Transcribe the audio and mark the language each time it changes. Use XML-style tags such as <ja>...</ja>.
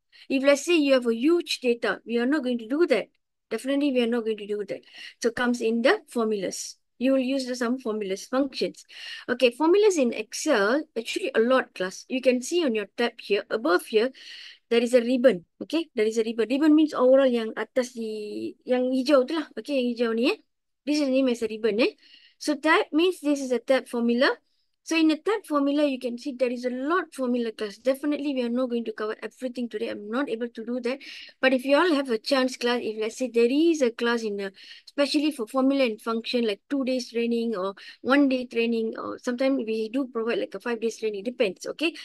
<en>If let's say you have a huge data, we are not going to do that. Definitely, we are not going to do that. So, comes in the formulas. You will use some formulas, functions. Okay, formulas in Excel, actually a lot, class. You can see on your tab here, above here, there is a ribbon. Okay, there is a ribbon. Ribbon means overall</en> <ms>yang atas di, yang hijau tu lah.</ms> <en>Okay,</en> <ms>yang hijau ni, eh.</ms> <en>This is name as a ribbon, eh. So, tab means this is a tab formula. So, in the tab formula, you can see there is a lot of formula, class. Definitely, we are not going to cover everything today. I'm not able to do that. But if you all have a chance, class, if let's say there is a class in the, especially for formula and function, like 2 days training or 1 day training, or sometimes we do provide like a 5 days training. Depends, okay?</en>